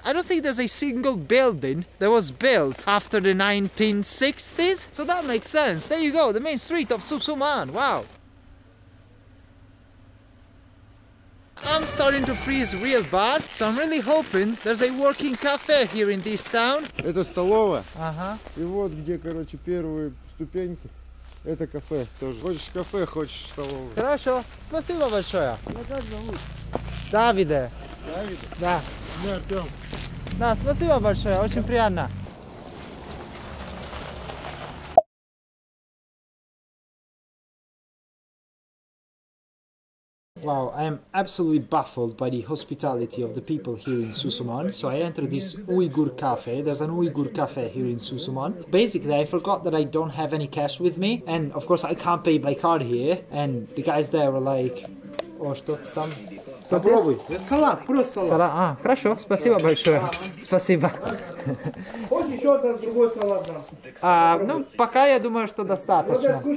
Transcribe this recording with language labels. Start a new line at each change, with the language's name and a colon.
English: I don't think there's a single building that was built after the 1960s. So that makes sense. There you go, the main street of Susuman. Wow. I'm starting to freeze real bad, so I'm really hoping there's a working cafe here in this town.
Russian: Это столовая. Ага. И вот где, короче, первые ступеньки. Это кафе тоже. Хочешь кафе, хочешь столовую. Хорошо. Спасибо большое. Как зовут? Давиде. Давиде? Да. Меня Артём. Да, спасибо большое. Очень приятно.
English: Wow, I am absolutely baffled by the hospitality of the people here in Susuman. So I entered this Uyghur cafe. There's an Uyghur cafe here in Susuman. Basically, I forgot that I don't have any cash with me. And of course, I can't pay by card here. And the guys there were like...
Russian: Попробуй. Салат, просто салат. Салат, хорошо, спасибо большое. спасибо. Хочешь еще один другой салат? Ну, пока я думаю, что достаточно.